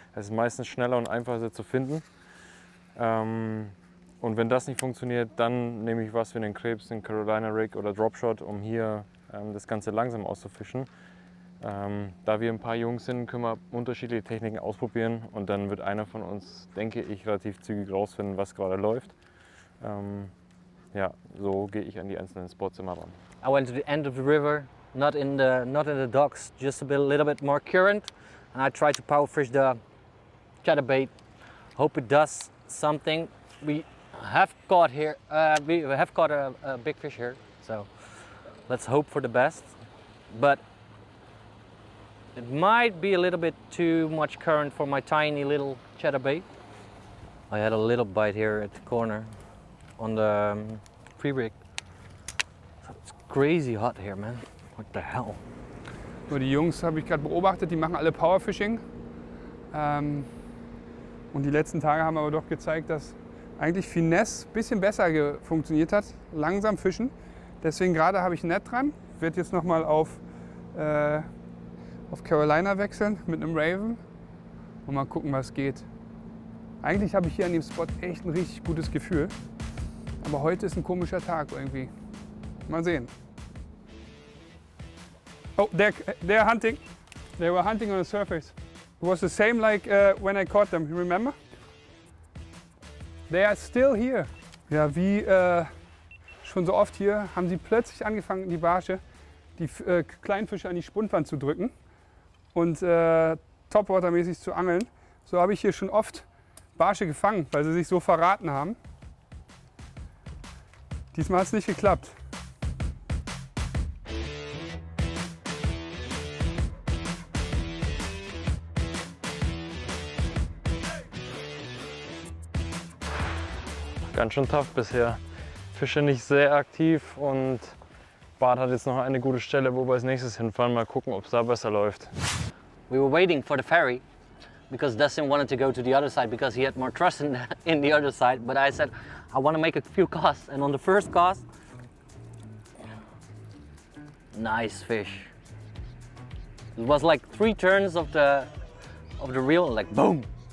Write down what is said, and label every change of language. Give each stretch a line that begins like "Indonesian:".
German: Es ist meistens schneller und einfacher, sie zu finden. Und wenn das nicht funktioniert, dann nehme ich was wie einen Krebs, einen Carolina Rig oder Dropshot, um hier das Ganze langsam auszufischen. Da wir ein paar Jungs sind, können wir unterschiedliche Techniken ausprobieren und dann wird einer von uns, denke ich, relativ zügig rausfinden, was gerade läuft. Ja, so gehe ich an die einzelnen Spots immer ran.
English: I went to the end of the river, not in the docks, just a bit, little bit more current. And I tried to powerfish the chatterbait. Hope it does something. We have caught a big fish here, so let's hope for the best. But it might be a little bit too much current for my tiny little chatterbait. I had a little bite here at the corner on the free rig. So it's crazy hot here, man. What the hell?
German: So, die Jungs habe ich gerade beobachtet, die machen alle Powerfishing. Und die letzten Tage haben aber doch gezeigt, dass eigentlich Finesse ein bisschen besser funktioniert hat, langsam fischen. Deswegen gerade habe ich Net dran, werde jetzt nochmal auf Carolina wechseln mit einem Raven und mal gucken, was geht. Eigentlich habe ich hier an dem Spot echt ein richtig gutes Gefühl, aber heute ist ein komischer Tag irgendwie. Mal sehen.
English: Oh, they're hunting. They were hunting on the surface. It was the same like when I caught them, you remember? They are still here.
German: Ja, wie schon so oft hier, haben sie plötzlich angefangen, die Barsche, die Kleinfische an die Spundwand zu drücken und topwatermäßig zu angeln. So habe ich hier schon oft Barsche gefangen, weil sie sich so verraten haben. Diesmal hat es nicht geklappt. Ganz schön tough bisher. Fische nicht sehr aktiv und Bart hat jetzt noch eine gute Stelle, wo wir als nächstes hinfahren. Mal gucken, ob es da besser läuft.
English: We were waiting for the ferry because Dustin wanted to go to the other side because he had more trust in the other side. But I said, I want to make a few casts. And on the first cast, nice fish. It was like three turns of the reel, like boom.